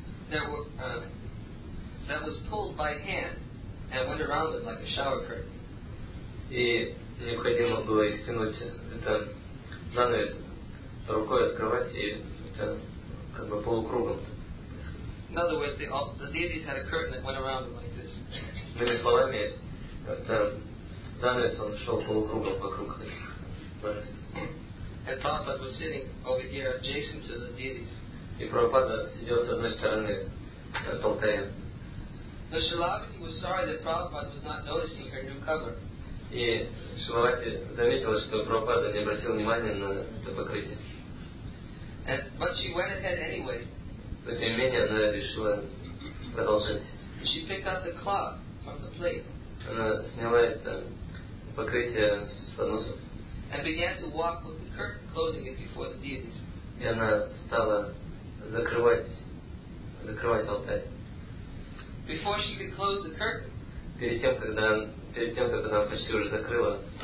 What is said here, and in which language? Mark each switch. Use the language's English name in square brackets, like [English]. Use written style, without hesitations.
[English] That was pulled by hand and went around it like a shower curtain. [Russian] И необходимо было их стянуть это занавес рукой открывать и это как бы полукругом. [English] In other words, the deities had a curtain that went around them like this. [Russian] Иными словами, это занавес он шел полукругом вокруг этих божеств. [English] And Prabhupada was sitting over here adjacent to the deities. [Russian] И Прабхупада сидел с одной стороны от алтаря. [English] The Shilavati was sorry that Prabhupada was not noticing her new cover. [Russian] И Шилавати заметила, что Прабхупада не обратил внимания на это покрытие. [English] But she went ahead anyway. [Russian] Но тем не менее она решила продолжать. [English] And she picked up the cloth from the plate. [Russian] Она сняла это покрытие с подносом. [English] And began to walk with the curtain, closing it before the deities. [Russian] И она стала закрывать алтарь. [English] Before she could close the curtain, [Russian] перед тем, когда она почти уже закрыла,